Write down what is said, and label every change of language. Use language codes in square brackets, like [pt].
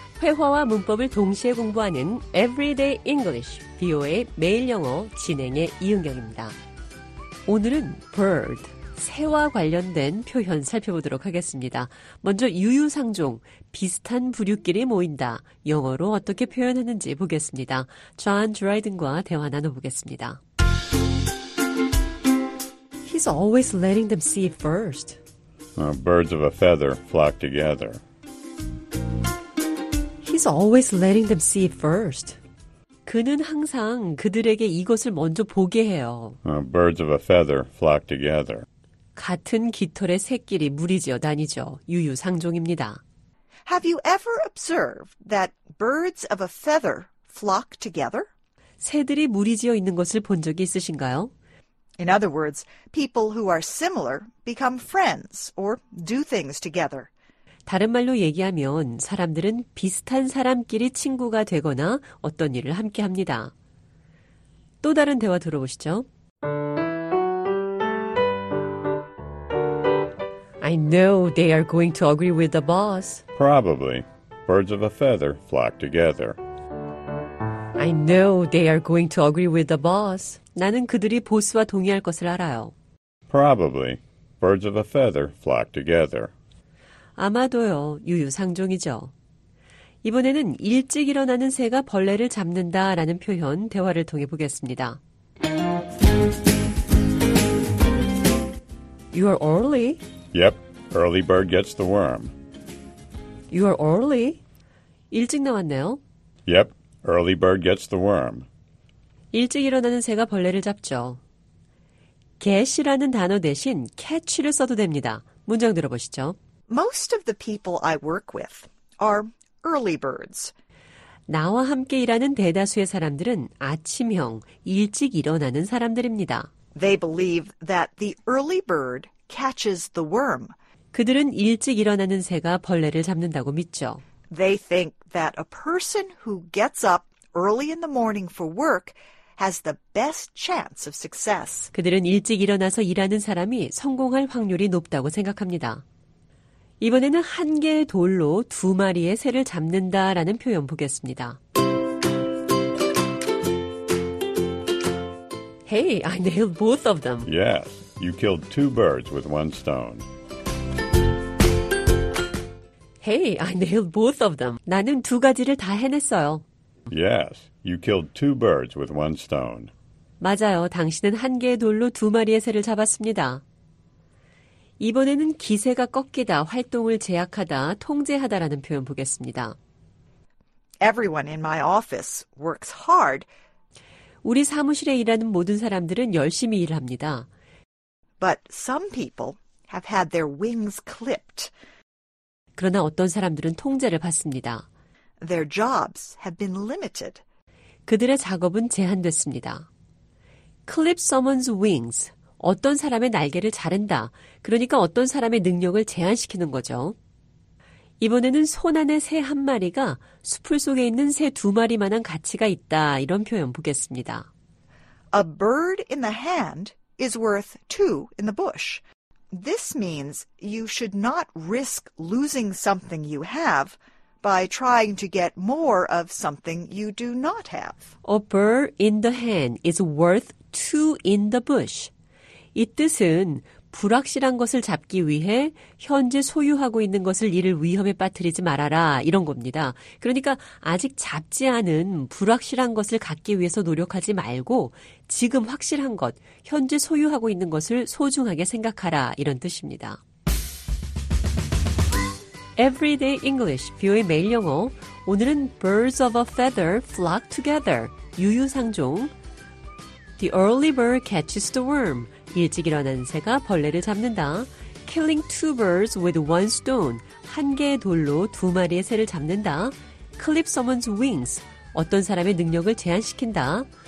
[ko] 회화와 문법을 동시에 공부하는 [en] Everyday English, [ko] VOA 매일 영어 진행의 이은경입니다. 오늘은 bird, 새와 관련된 표현 살펴보도록 하겠습니다. 먼저 유유상종, 비슷한 부류끼리 모인다. 영어로 어떻게 표현하는지 보겠습니다. 존 드라이든과 대화 나눠보겠습니다. [en] He's always letting them see it first. Birds of a feather flock together. He's always letting them see it first. [ko] 그는 항상 그들에게 이것을 먼저 보게 해요. [en] Birds of a feather flock together. [ko] 같은 깃털의 새끼리 무리지어 다니죠. 유유상종입니다. [en] Have you ever observed that birds of a feather flock together? [ko] 새들이 무리지어 있는 것을 본 적이 있으신가요? [en] In other words, people who are similar become friends or do things together. [ko] 다른 말로 얘기하면 사람들은 비슷한 사람끼리 친구가 되거나 어떤 일을 함께 합니다. 또 다른 대화 들어보시죠. [en] I know they are going to agree with the boss. Probably. Birds of a feather flock together. I know they are going to agree with the boss. [ko] 나는 그들이 보스와 동의할 것을 알아요. [en] Probably. Birds of a feather flock together. [ko] 아마도요. 유유상종이죠. 이번에는 일찍 일어나는 새가 벌레를 잡는다라는 표현 대화를 통해 보겠습니다. [en] You are early. Yep. Early bird gets the worm. You are early. [ko] 일찍 나왔네요. [en] Yep. Early bird gets the worm. [ko] 일찍 일어나는 새가 벌레를 잡죠. get이라는 단어 대신 catch를 써도 됩니다. 문장 들어보시죠. [en] Most of the people I work with are early birds. [ko] 나와 함께 일하는 대다수의 사람들은 아침형, 일찍 일어나는 사람들입니다. [en] They believe that the early bird catches the worm. [ko] 그들은 일찍 일어나는 새가 벌레를 잡는다고 믿죠. [en] They think that a person who gets up early in the morning for work has the best chance of success. [ko] 그들은 일찍 일어나서 일하는 사람이 성공할 확률이 높다고 생각합니다. 이번에는 한 개의 돌로 두 마리의 새를 잡는다라는 표현 보겠습니다. [en] Hey, I nailed both of them. Yes, you killed two birds with one stone. Hey, I nailed both of them. [ko] 나는 두 가지를 다 해냈어요. [en] Yes, you killed two birds with one stone. [ko] 맞아요. 당신은 한 개의 돌로 두 마리의 새를 잡았습니다. 이번에는 기세가 꺾이다, 활동을 제약하다, 통제하다라는 표현 보겠습니다. [en] Everyone in my office works hard. [ko] 우리 사무실에 일하는 모든 사람들은 열심히 일합니다. [en] But some people have had their wings clipped. [ko] 그러나 어떤 사람들은 통제를 받습니다. [en] Their jobs have been limited. [ko] 그들의 작업은 제한됐습니다. [en] Clip someone's wings. [ko] 어떤 사람의 날개를 자른다. 그러니까 어떤 사람의 능력을 제한시키는 거죠. 이번에는 손 안에 새 한 마리가 수풀 속에 있는 새 두 마리만한 가치가 있다. 이런 표현 보겠습니다. [en] A bird in the hand is worth two in the bush. This means you should not risk losing something you have by trying to get more of something you do not have. A bird in the hand is worth two in the bush. [ko] 이 뜻은 불확실한 것을 잡기 위해 현재 소유하고 있는 것을 잃을 위험에 빠뜨리지 말아라 이런 겁니다. 그러니까 아직 잡지 않은 불확실한 것을 갖기 위해서 노력하지 말고 지금 확실한 것, 현재 소유하고 있는 것을 소중하게 생각하라 이런 뜻입니다. [en] Everyday English, [ko] 뷰의 매일 영어. 오늘은 [en] Birds of a Feather Flock Together, [ko] 유유상종. [en] The early bird catches the worm. [ko] 일찍 일어난 새가 벌레를 잡는다. [en] Killing two birds with one stone. [ko] 한 개의 돌로 두 마리의 새를 잡는다. [en] Clip someone's wings. [ko] 어떤 사람의 능력을 제한시킨다.